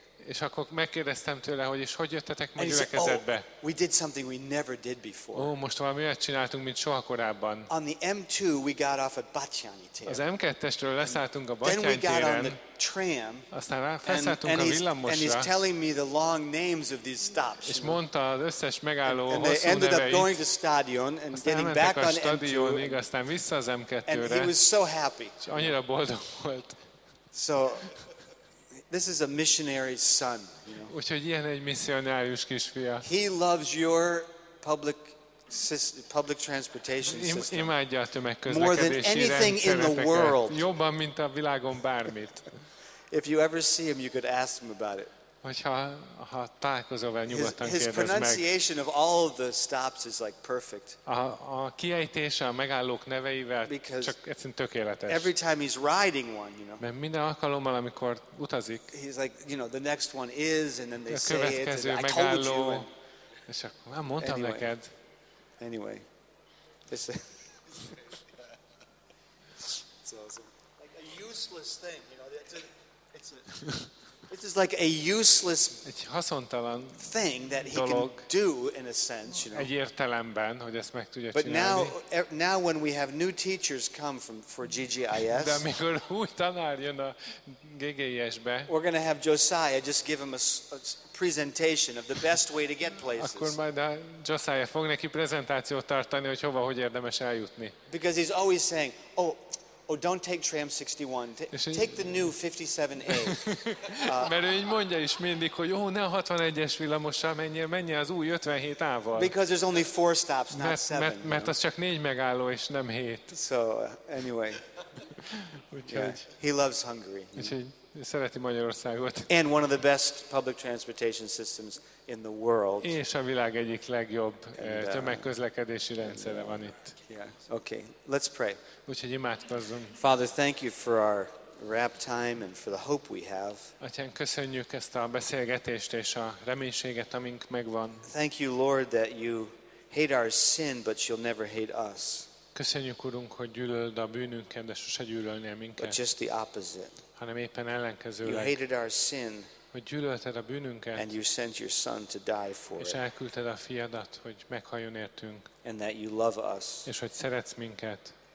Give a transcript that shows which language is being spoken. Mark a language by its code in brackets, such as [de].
[hu] És akkor megkérdeztem tőle, hogy is hogy jöttetek ma gyülekezetbe. [en] We did something we never did before. [hu] Ó, most valami olyat csináltunk, mint soha korábban. [en] On the M2 we got off at Batthyány tér. [hu] Az M2-esről leszálltunk a Batthyány téren. [en] Then we got on the tram. [hu] Aztán felszálltunk a villamosra. [en] And he's telling me the long names of these stops. [hu] És mondta az összes megálló hosszú neveit. [en] And they ended up going to stadion and getting back on [hu] M2-ig, aztán vissza az M2-re. [en] And he was so happy. [hu] És annyira boldog volt. [en] So this is a missionary's son, you know. [hu] Úgyhogy ilyen egy misszionárius kisfia. [en] He loves your public transportation system. [hu] Imádja a tömegközlekedési [en] more than anything in the world. [hu] Jobban, mint a világon bármit. [en] If you ever see him, you could ask him about it. [hu] Ha találkozol vele, nyugodtan kérdezz meg. [en] His pronunciation of all of the stops is like perfect. [hu] A kiejtése a megállók neveivel csak egyszerűen tökéletes. [en] Every time he's riding one, you know. [hu] Mert minden alkalommal, amikor utazik. [en] He's like, you know, the next one is, and then they say it. [hu] A következő megálló. És akkor már mondtam [en] anyway, [hu] neked. [en] Anyway. It's awesome. Like a useless thing, you know. This is like a useless [hu] egy haszontalan [en] thing that he [hu] dolog, [en] can do in a sense, you know. [hu] Egy értelemben, hogy ezt meg tudja [en] but [hu] csinálni. [en] But now when we have new teachers come for GGIS. [hu] De amikor új tanár jön a GGIS-be. [en] We're going to have Josiah just give him a presentation of the best way to get places. [hu] Akkor majd Josiah fog neki prezentációt tartani, hogy hova hogy érdemes eljutni. [en] Because he's always saying, oh, don't take tram 61. Take the new 57A. [hu] Mert ő így mondja is mindig, hogy jó, ne a 61-es villamossal menjél az új 57A-val. [en] Because there's only 4 stops, not 7. [hu] Mert az csak 4 megálló, és nem 7. [en] So, anyway. [hu] Úgyhogy. [en] He loves Hungary. [hu] Úgyhogy szereti Magyarországot. [en] And one of the best public transportation systems in the world. [hu] És a világ egyik legjobb tömegközlekedési rendszere van itt. [en] Yeah. Okay, let's pray. [hu] Úgyhogy imádkozzunk. [en] Father, thank you for our wrap time and for the hope we have. [hu] Atyán, köszönjük ezt a beszélgetést és a reménységet, amink megvan. [en] Thank you, Lord, that you hate our sin, but you'll never hate us. [hu] Köszönjük, Urunk, hogy gyűlöld a bűnünket, de sose gyűlölnél minket. [en] But just the opposite. [hu] Hanem éppen ellenkezőleg. [en] You hated our sin. [hu] Hogy gyűlölted a bűnünket. [en] And you sent your son to die for it. [hu] És elküldted a fiadat, hogy meghaljon értünk. [en] And that you love us. [hu] És hogy szeretsz minket.